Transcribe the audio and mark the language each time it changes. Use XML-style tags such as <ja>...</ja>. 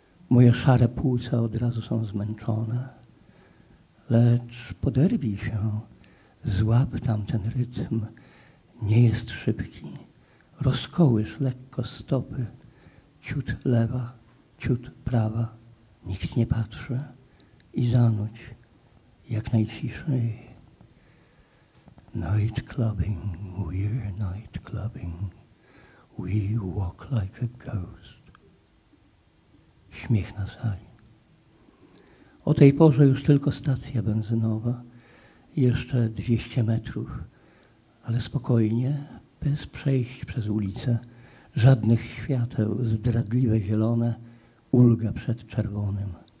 <pl>Moje szare płuca od razu są zmęczone. Lecz poderwij się, złap tam ten rytm. Nie jest szybki, rozkołysz lekko stopy. Ciut lewa, ciut prawa, nikt nie patrzy i zanuć jak najciszej.</pl> <en>Night clubbing, we're night clubbing, we walk like a ghost.</en> <pl>Śmiech na sali. O tej porze już tylko stacja benzynowa, jeszcze 200 metrów, ale spokojnie, bez przejść przez ulicę. Żadnych świateł, zdradliwe zielone, ulga przed czerwonym.</pl>